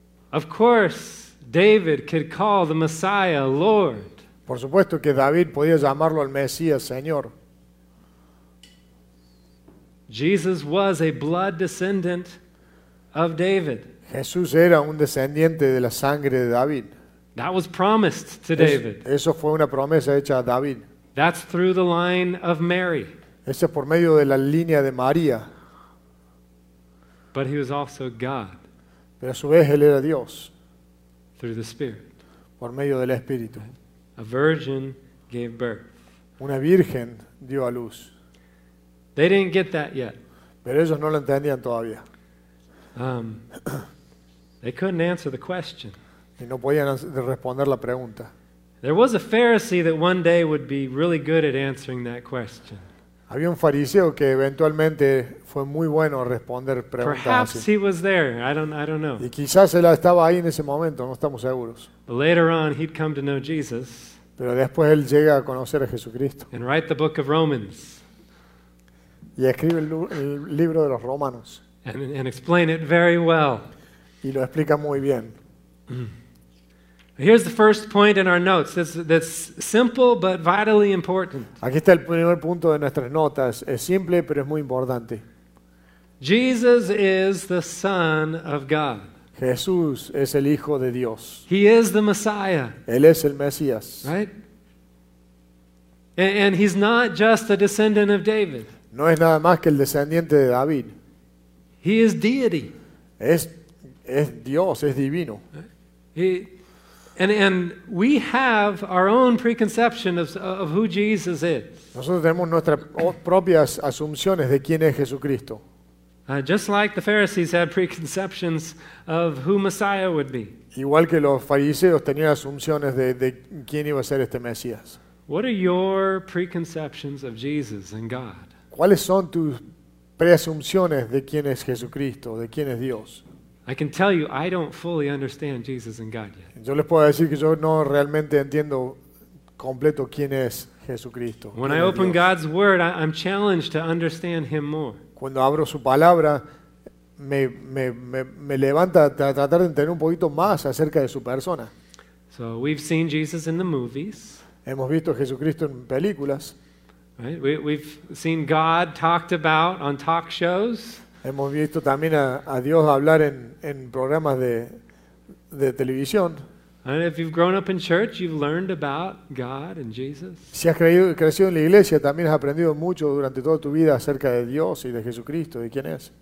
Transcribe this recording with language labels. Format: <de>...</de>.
<en>Of course, David could call the Messiah Lord.</en> <es>Por supuesto que David podía llamarlo al Mesías, Señor.</es> <en>Jesus was a blood descendant of David.</en> <es>Jesús era un descendiente de la sangre de David.</es> <en>That was promised to David.</en> <es>Eso fue una promesa hecha a David.</es> <en>That's through the line of Mary.</en> <es>Eso es por medio de la línea de María.</es> <en>But he was also God.</en> <es>Pero a su vez él era Dios.</es> <en>Through the Spirit.</en> <es>Por medio del Espíritu.</es> <en>A virgin gave birth.</en> <es>Una virgen dio a luz.</es> <en>They didn't get that yet.</en> <es>Pero ellos no lo entendían todavía.</es> <en>They couldn't answer the question.</en> <es>Y no podían responder la pregunta.</es> <en>There was a Pharisee that one day would be really good at answering that question.</en> <es>Había un fariseo que eventualmente fue muy bueno a responder preguntas.</es> <en>Perhaps</en> <es>así.</es> <en>He was there. I don't know.</en> <es>Y quizás él estaba ahí en ese momento, no estamos seguros.</es> <en>But later on, he'd come to know Jesus.</en> <es>Pero después él llega a conocer a Jesucristo.</es> <en>And write the book of Romans.</en> <es>Y escribe el libro de los Romanos.</es> <en>And explain it very well.</en> <es>Y lo explica muy bien.</es> <en>Here's the first point in our notes. That's simple but vitally important.</en> <es>Aquí está el primer punto de nuestras notas. Es simple pero es muy importante.</es> <en>Jesus is the Son of God.</en> <es>Jesús es el Hijo de Dios.</es> <en>He is the Messiah.</en> <es>Él es el Mesías.</es> <en>Right? And he's not just a descendant of David.</en> <es>No es nada más que el descendiente de David.</es> <en>He is deity.</en> <es>Es Dios, es divino.</es> <en>Right? And we have our own preconception of who Jesus is.</en> <es>Nosotros tenemos nuestras propias asunciones de quién es Jesucristo.</es> <en>Just like the Pharisees had preconceptions of who Messiah would be.</en> <es>Igual que los fariseos tenían asunciones de quién iba a ser este Mesías.</es> <en>What are your preconceptions of Jesus and God?</en> <es>¿Cuáles son tus preasunciones de quién es Jesucristo, de quién es Dios?</es> <en>I can tell you I don't fully understand Jesus and God yet.</en> <es>Yo les puedo decir que yo no realmente entiendo completo quién es Jesucristo.</es> <en>When I open God's word, I'm challenged to understand him more.</en> <es>Cuando abro su palabra me levanta a tratar de entender un poquito más acerca de su persona.</es> <en>So we've seen Jesus in the movies.</en> <es>Hemos visto a Jesucristo en películas.</es> <en>Right? We've seen God talked about on talk shows.</en> <es>Hemos visto también a Dios hablar en programas de televisión.</es> <en>And if you've grown up in church, you've learned about God and Jesus.</en> <es>Si has crecido en la iglesia, también has aprendido mucho durante toda tu vida acerca de Dios y de Jesucristo, de quién es.</es>